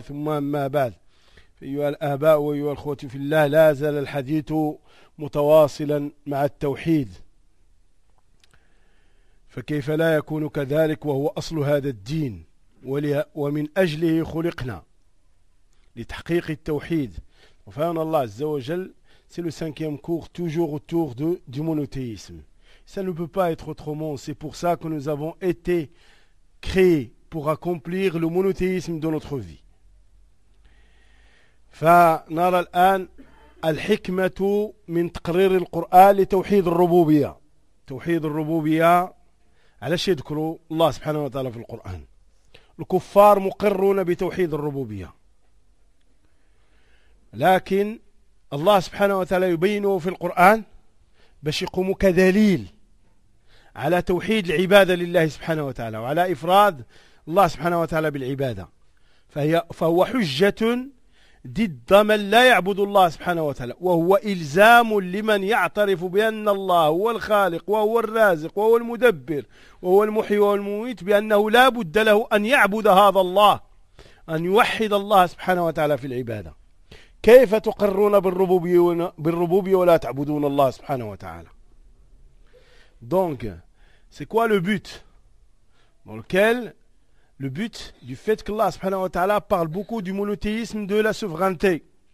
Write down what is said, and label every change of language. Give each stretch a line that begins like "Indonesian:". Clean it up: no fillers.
Arabic: ثم أما بعد، أيها الآباء وأيها الأخوة في الله، لا زال الحديث متواصلا مع التوحيد، فكيف لا يكون كذلك وهو أصل هذا الدين، ومن أجله خلقنا لتحقيق التوحيد. وفهم الله عز وجل
French: c'est le cinquième cours toujours autour du monothéisme. Ça ne peut pas être autrement. C'est pour ça que nous avons été créés pour accomplir le monothéisme de notre vie.
Arabic: فنرى الآن الحكمة من تقرير القرآن لتوحيد الربوبية. توحيد الربوبية علاش يذكروا الله سبحانه وتعالى في القرآن؟ الكفار مقرون بتوحيد الربوبية، لكن الله سبحانه وتعالى يبينه في القرآن باش يقوموا كدليل على توحيد العبادة لله سبحانه وتعالى، وعلى إفراد الله سبحانه وتعالى بالعبادة. فهو حجة ضد من لا يعبد الله سبحانه وتعالى، وهو إلزام لمن يعترف بأن الله هو الخالق وهو الرازق وهو المدبر وهو المحيي والمميت، بأنه لا بد له أن يعبد هذا الله، أن يوحد الله سبحانه وتعالى في العبادة. كيف تقرون بالربوبية ولا تعبدون الله سبحانه وتعالى؟
French: Donc, c'est quoi le but dans lequel le but du fait que Allah subhanahu wa ta'ala parle beaucoup du monothéisme, de la souveraineté.